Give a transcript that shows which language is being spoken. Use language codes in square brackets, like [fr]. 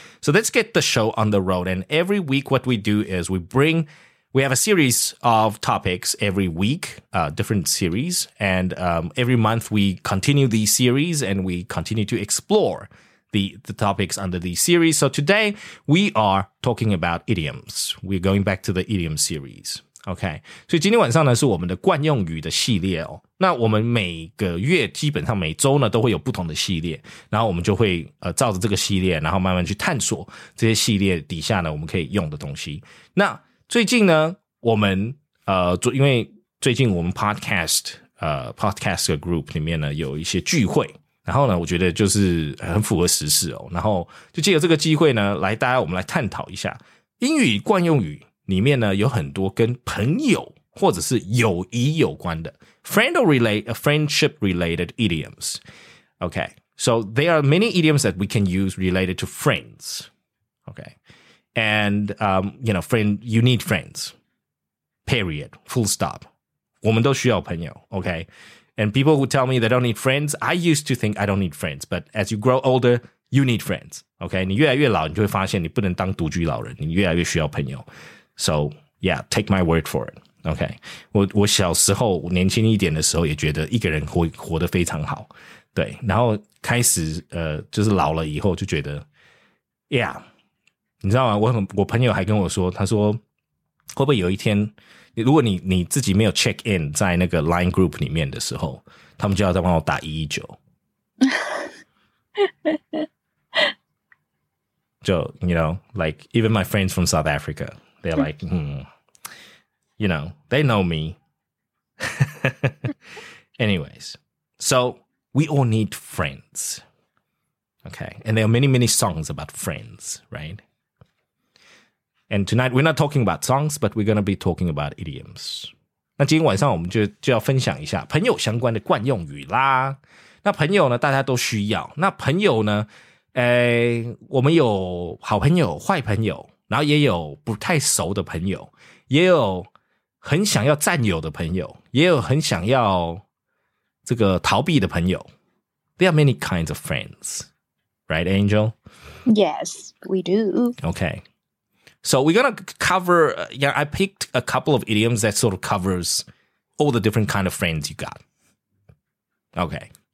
[en] So let's get the show on the road. And every week what we do is we have a series of topics every week, different series. And every month we continue these series and we continue to explore the topics under these series. So today we are talking about idioms. We're going back to the idiom series. [zh] OK, 所以今天晚上呢是我们的惯用语的系列哦。那我们每个月基本上每周呢都会有不同的系列，然后我们就会照着这个系列，然后慢慢去探索这些系列底下呢我们可以用的东西。那最近呢，我们因为最近我们 podcast group 里面呢有一些聚会，然后呢我觉得就是很符合时事哦。然后就借由这个机会呢，来大家我们来探讨一下英语惯用语里面呢有很多跟朋友 或者是友谊有关的 [en] friendship-related idioms. Okay, so there are many idioms that we can use related to friends. Okay, and friend, you need friends. Period. Full stop. [zh] 我们都需要朋友. [en] Okay, and people who tell me they don't need friends, I used to think I don't need friends, but as you grow older, you need friends. [zh] Okay, 你越来越老，你就会发现你不能当独居老人，你越来越需要朋友. [en] So yeah, take my word for it. [zh] OK, 我小时候年轻一点的时候也觉得一个人活得非常好。对，然后开始就是老了以后就觉得 Yeah, 你知道吗，我朋友还跟我说 他说会不会有一天如果你自己没有check in 在那个line group里面的时候 他们就要再帮我打119。 [en] 就 you know, like even my friends from South Africa, they're like You know, they know me. Anyways, so we all need friends. Okay, and there are many, many songs about friends, right? And tonight, we're not talking about songs, but we're going to be talking about idioms. [zh] 那今天晚上我们就要分享一下朋友相关的惯用语啦。那朋友呢，大家都需要。那朋友呢，我们有好朋友、坏朋友，然后也有不太熟的朋友，也有 很想要占有的朋友，也有很想要这个逃避的朋友. [en] There are many kinds of friends, right, Angel? Yes, we do. Okay, so we're gonna cover. Yeah, I picked a couple of idioms that sort of covers all the different kind of friends you got. Okay,